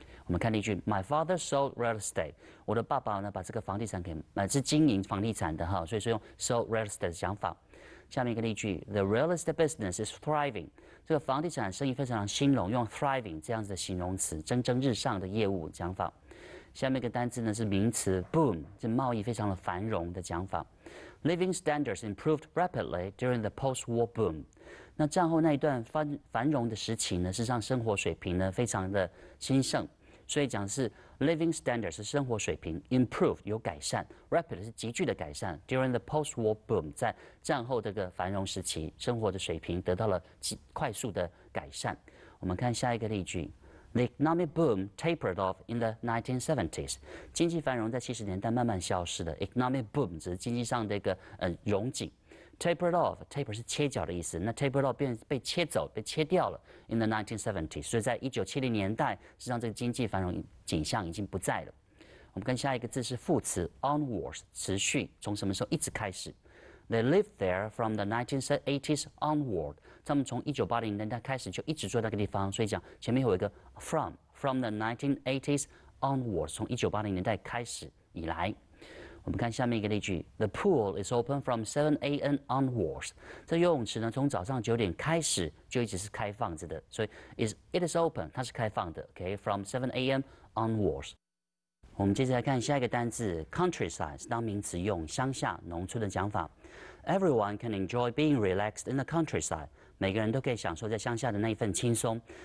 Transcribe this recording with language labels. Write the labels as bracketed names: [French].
[Chinese] 我们看例句 ： [English] My father sold real estate。 [Chinese] 我的爸爸呢把这个房地产给是经营房地产的哈，所以说用 [English] sold real estate [Chinese] 的讲法。下面一个例句 ： [English] The real estate business is thriving。 [Chinese] 这个房地产生意非常兴隆，用 thriving 这样子的形容词，蒸蒸日上的业务讲法。下面一个单字呢是名词 boom， 这贸易非常的繁荣的讲法。 [English] Living standards improved rapidly during the post-war boom。 [Chinese] 那战后那一段繁荣的时期呢，事实上生活水平呢非常的兴盛，所以讲是 [English] living standards [Chinese] 是生活水平 improved 有改善 ，rapid 是急剧的改善。 [English] During the post-war boom， [Chinese] 在战后这个繁荣时期，生活的水平得到了快速的改善。我们看下一个例句。 [English] The economic boom tapered off in the 1970s. [Chinese] 经济繁荣在70年代慢慢消失的。 [English] Economic boom [Chinese] 指经济上的一个荣景。 [English] Tapered off, [Chinese] taper 是切角的意思。那 [English] tapered off [Chinese] 被切走，被切掉了。 [English] In the 1970s, [Chinese] 所以在1970年代，实际上这个经济繁荣景象已经不在了。我们看下一个字是副词 onwards， 持续，从什么时候一直开始。 [English] They lived there from the 1980s onward. [Chinese] 他们从1980年代开始就一直住在那个地方，所以讲前面有一个 [English] from the 1980s onward， [Chinese] 从1980年代开始以来。我们看下面一个例句 [English] ：The pool is open from 7 a.m. onwards. [Chinese] 这游泳池呢，从早上九点开始就一直是开放着的，所以 [English] it is open， [Chinese] 它是开放的。 OK， [English] from 7 a.m. onwards。 [Chinese] 我们接着来看下一个单字 ：countryside 当名词用，乡下、农村的讲法。 [English] Everyone can enjoy being relaxed in the countryside. [Chinese] 每个人都可以享受在乡下的那一份轻松。